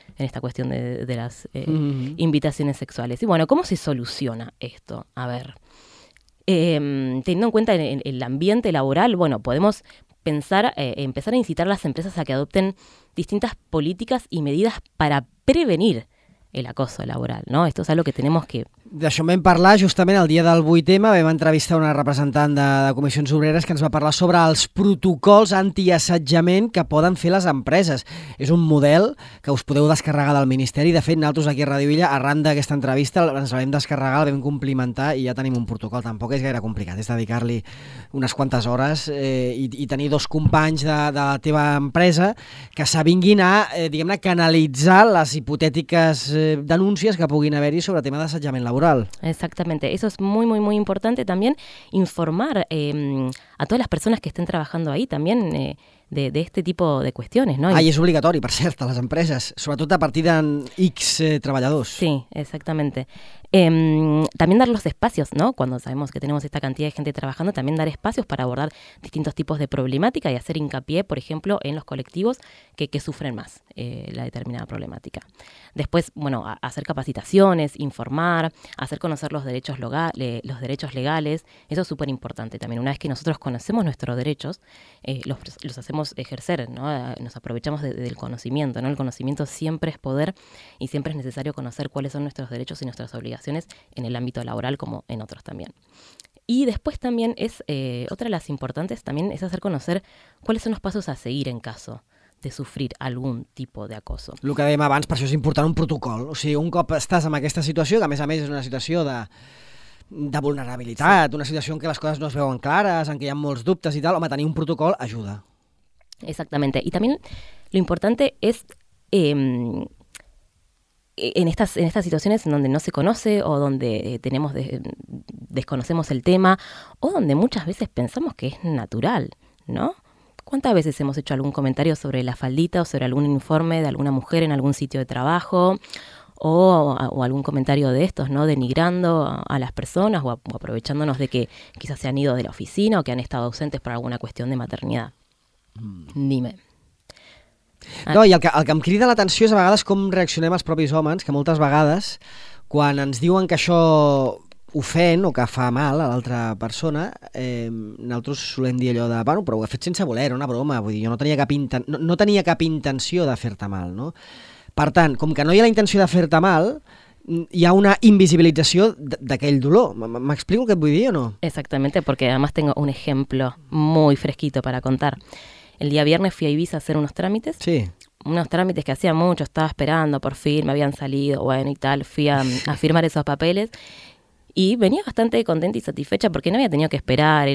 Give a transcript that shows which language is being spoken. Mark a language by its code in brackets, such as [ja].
[es] en esta cuestión de las invitaciones sexuales. Y bueno, ¿cómo se soluciona esto? A ver, teniendo en cuenta el ambiente laboral, bueno, podemos pensar, empezar a incitar a las empresas a que adopten distintas políticas y medidas para prevenir el acoso laboral, ¿no? Esto es algo que tenemos que... [ca] D'això vam parlar justament el dia del 8M, vam entrevistar una representant de Comissions Obreres que ens va parlar sobre els protocols antiassetjament que poden fer les empreses. És un model que us podeu descarregar del Ministeri. De fet, nosaltres aquí a Radio Illa, arran d'aquesta entrevista, ens la vam descarregar, la vam complimentar i ja tenim un protocol. Tampoc és gaire complicat, és dedicar-li unes quantes hores i tenir dos companys de la teva empresa que s'avinguin a, diguem-ne, canalitzar les hipotètiques denúncies que puguin haver-hi sobre el tema d'assetjament laboral. [es] Exactamente, eso es muy muy muy importante también, informar a todas las personas que estén trabajando ahí también de este tipo de cuestiones, ¿no? Ah, y es obligatorio, por cierto, a las empresas, sobre todo a partir de X trabajadores. Sí, exactamente. También dar los espacios, ¿no? Cuando sabemos que tenemos esta cantidad de gente trabajando, también dar espacios para abordar distintos tipos de problemática y hacer hincapié, por ejemplo, en los colectivos que sufren más la determinada problemática. Después, bueno, hacer capacitaciones, informar, hacer conocer los derechos legales. Eso es súper importante también. Una vez que nosotros conocemos nuestros derechos, los hacemos ejercer, ¿no? Nos aprovechamos del conocimiento, ¿no? El conocimiento siempre es poder y siempre es necesario conocer cuáles son nuestros derechos y nuestras obligaciones en el ámbito laboral como en otros también. Y después también es otra de las importantes también es hacer conocer cuáles son los pasos a seguir en caso de sufrir [ca] algun tipus d'acoso. El que dèiem abans, per això és important un protocol. O sigui, un cop estàs en aquesta situació, que a més és una situació de vulnerabilitat, sí, una situació en què les coses no es veuen clares, en què hi ha molts dubtes i tal, home, tenir un protocol ajuda. [es] Exactamente. Y también lo importante es en estas situaciones en donde no se conoce o donde desconocemos el tema o donde muchas veces pensamos que es natural, ¿no? ¿Cuántas veces hemos hecho algún comentario sobre la faldita o sobre algún informe de alguna mujer en algún sitio de trabajo o algún comentario de estos, ¿no? Denigrando a las personas o aprovechándonos de que quizás se han ido de la oficina o que han estado ausentes por alguna cuestión de maternidad. Dime. [ca] No, i el que em crida l'atenció és a vegades com reaccionem els propis homes, que moltes vegades quan ens diuen que això ofèn o que fa mal a l'altra persona, nosaltres solem dir allò de, bueno, però ho he fet sense voler, era una broma, vull dir, jo no tenia cap intenció de fer-te mal, no? Per tant, com que no hi ha la intenció de fer-te mal, hi ha una invisibilització d'aquell dolor. M'explico el que et vull dir o no? [es] Exactamente, porque además tengo un ejemplo muy fresquito para contar. El día viernes fui a Ibiza a hacer unos trámites. Sí. Unos trámites que hacía mucho, estaba esperando, por fin me habían salido, bueno y tal. Fui a firmar esos papeles y venía bastante contenta y satisfecha porque no había tenido que esperar.